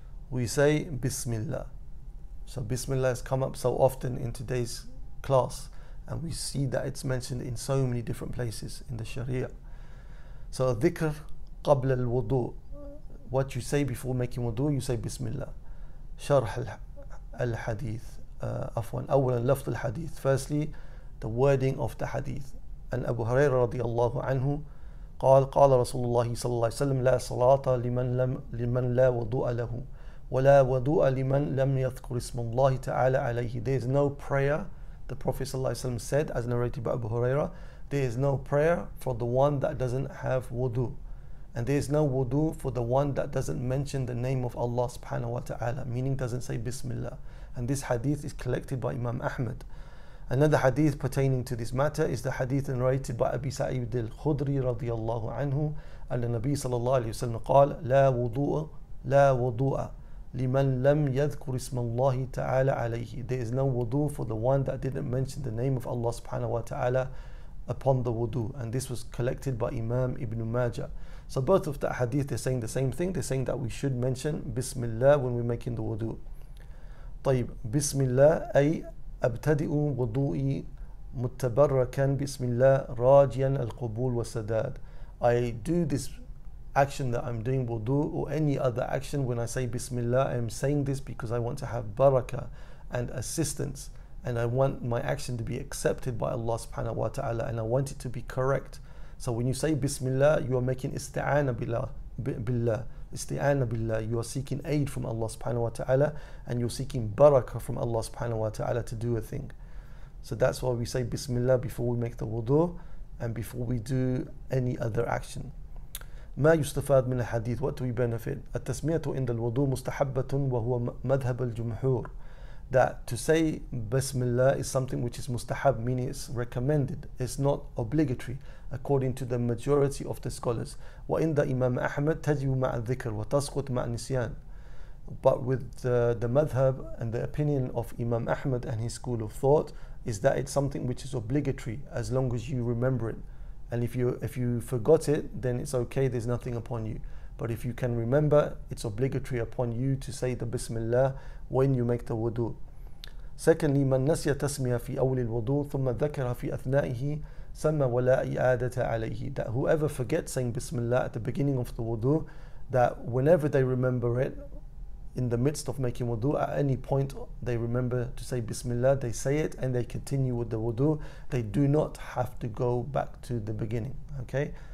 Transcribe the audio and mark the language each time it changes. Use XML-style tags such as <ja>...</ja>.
<en>We say Bismillah. So Bismillah has come up so often in today's class, and we see that it's mentioned in so many different places in the Sharia. So</en> <ar>dhikr qabl al-wudu,</ar> <en>what you say before making wudu, you say Bismillah.</en> <ar>Sharh al-hadith, afwan, awwalan lafz al-hadith,</ar> <en>firstly the wording of the hadith.</en> <ar>عن أبو هريرة رضي الله عنه قال قال رسول الله صلى الله عليه وسلم لا صلاة لمن لا وضوء له ولا وضوء لمن لم يذكر اسم الله تعالى عليه.</ar> <en>There is no prayer, the Prophet</en> <ar>صلى الله عليه وسلم</ar> <en>said, as narrated by Abu Huraira, there is no prayer for the one that doesn't have wudu, and there is no wudu for the one that doesn't mention the name of Allah subhanahu wa ta'ala, meaning doesn't say Bismillah. And this hadith is collected by Imam Ahmad. Another hadith pertaining to this matter is the hadith narrated by Abi Sa'id al-Khudri radiyallahu anhu, and the Nabi sallallahu alayhi wa sallam qal,</en> <ar>La wudu'a liman lam yadhkur ismallahi ta'ala alayhi.</ar> <en>There is no wudu for the one that didn't mention the name of Allah subhanahu wa ta'ala upon the wudu. And this was collected by Imam Ibn Majah. So both of the hadith, they're saying the same thing. They're saying that we should mention Bismillah when we're making the wudu.</en> <ar>طيب, Bismillah أي أبتدئ وضوئي متبركا بسم الله راجيا القبول والسداد.</ar> <en>I do this action that I'm doing, wudu or any other action, when I say Bismillah, I'm saying this because I want to have barakah and assistance, and I want my action to be accepted by Allah subhanahu wa ta'ala, and I want it to be correct. So when you say Bismillah, you are making isti'ana billah. Isti'ana billah, you are seeking aid from Allah subhanahu wa ta'ala, and you're seeking barakah from Allah subhanahu wa ta'ala to do a thing. So that's why we say Bismillah before we make the wudu and before we do any other action.</en> <ar>ما يستفاد من الحديث,</ar> <en>what do we benefit?</en> <ar>التسمية عند الوضوء مستحبة وهو مذهب الجمهور.</ar> <en>that to say Bismillah is something which is mustahab, meaning it's recommended, it's not obligatory, according to the majority of the scholars.</en> <ar>وَإِنْدَ إِمَامَ أَحْمَدْ تَجِبُ مَعَ الذِّكْرِ وَتَسْقُطْ مَعَ النِّسْيَانِ.</ar> <en>But with the madhab and the opinion of Imam Ahmad and his school of thought is that it's something which is obligatory as long as you remember it. And if you forgot it, then it's okay, there's nothing upon you. But if you can remember, it's obligatory upon you to say the Bismillah when you make the wudu. Secondly,</en> <ar>من نسي تسمية في أول الوضوء ثم ذكرها في أثنائه سمى ولا إعادة عليه.</ar> <en>That whoever forgets saying Bismillah at the beginning of the wudu, that whenever they remember it, in the midst of making wudu, at any point they remember to say Bismillah, they say it and they continue with the wudu, they do not have to go back to the beginning. Okay?</en>